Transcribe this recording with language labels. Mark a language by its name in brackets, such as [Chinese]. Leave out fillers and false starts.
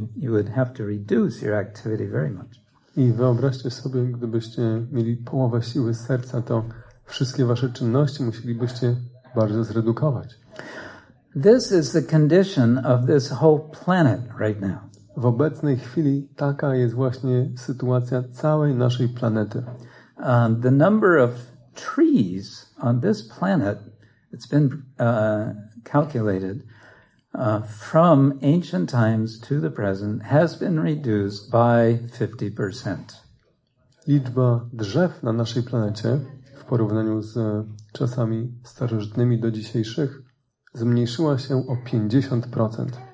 [English] You would have to reduce your activity very much. [Polish] I wyobraźcie sobie, gdybyście mieli połowę siły serca, to wszystkie wasze czynności musielibyście bardzo zredukować. [English] This is the condition of this whole planet right now. [Polish] W obecnej chwili taka jest właśnie sytuacja całej naszej planety. [English] The number of trees on this planet, it's been calculated from ancient times to the present, has been reduced by 50%. [Polish] Liczba drzew na naszej planecie w porównaniu z czasami starożytnymi do dzisiejszych zmniejszyła się o 50%.